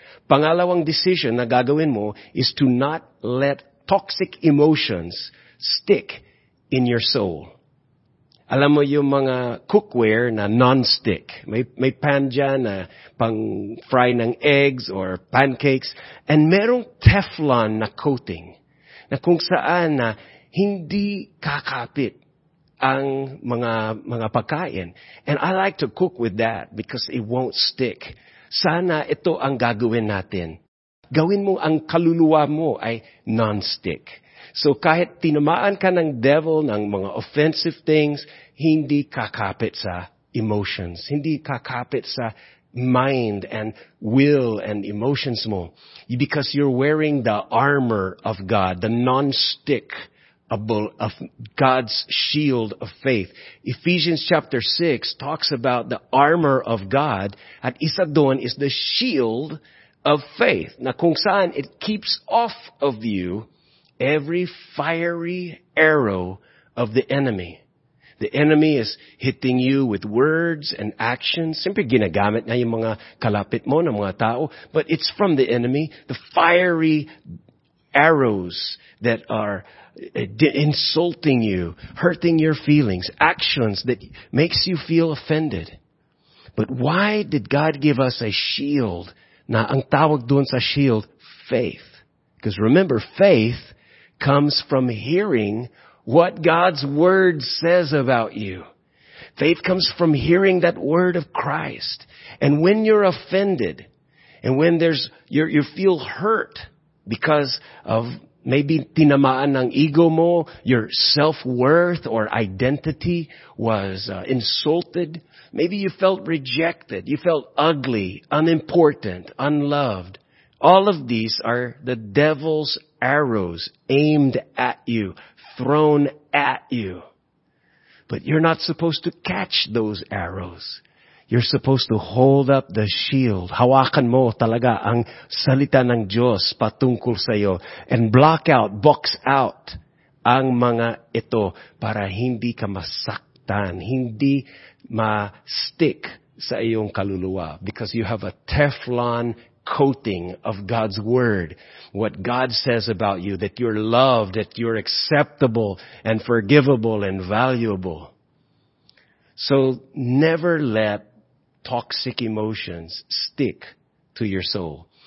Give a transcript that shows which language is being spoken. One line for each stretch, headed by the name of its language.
Filipino: Pangalawang decision na gagawin mo
English: is to not let toxic emotions stick in your soul.
Filipino: Alam mo yung mga cookware na non-stick. May pan dyan na pang-fry ng
English: eggs or pancakes.
Filipino: And merong Teflon na coating na kung saan na hindi kakapit ang mga pagkain.
English: And I like to cook with that because it won't stick.
Filipino: Sana ito ang gagawin natin. Gawin mo ang kaluluwa mo ay non-stick. So kahit tinamaan ka ng devil ng mga offensive things, hindi kakapit sa emotions. Hindi kakapit sa
English: mind and will and emotions mo. Because you're wearing the armor of God, the non-stickable of God's shield of faith. Ephesians chapter 6 talks about the armor of God.
Filipino: At isa doon
English: is the shield of faith.
Filipino: Na kung saan
English: it keeps off of you every fiery arrow of the enemy. The enemy is hitting you with words and actions.
Filipino: Siyempre ginagamit na yung mga kalapit mo na mga tao.
English: But it's from the enemy. The fiery arrows that are insulting you, hurting your feelings, actions that makes you feel offended. But why did God give us a shield?
Filipino: Na ang tawag doon sa shield, faith.
English: Because remember, faith comes from hearing what God's word says about you. Faith comes from hearing that word of Christ. And when you're offended, and when you feel hurt because of maybe
Filipino: tinamaan ng ego mo,
English: your self-worth or identity was insulted. Maybe you felt rejected. You felt ugly, unimportant, unloved. All of these are the devil's arrows aimed at you, thrown at you. But you're not supposed to catch those arrows. You're supposed to hold up the shield.
Filipino: Hawakan mo talaga ang salita ng Diyos patungkol sa iyo.
English: And block out, box out
Filipino: ang mga ito para hindi ka masaktan, hindi ma-stick sa iyong kaluluwa.
English: Because you have a Teflon coating of God's word, what God says about you, that you're loved, that you're acceptable and forgivable and valuable. So never let toxic emotions stick to your soul.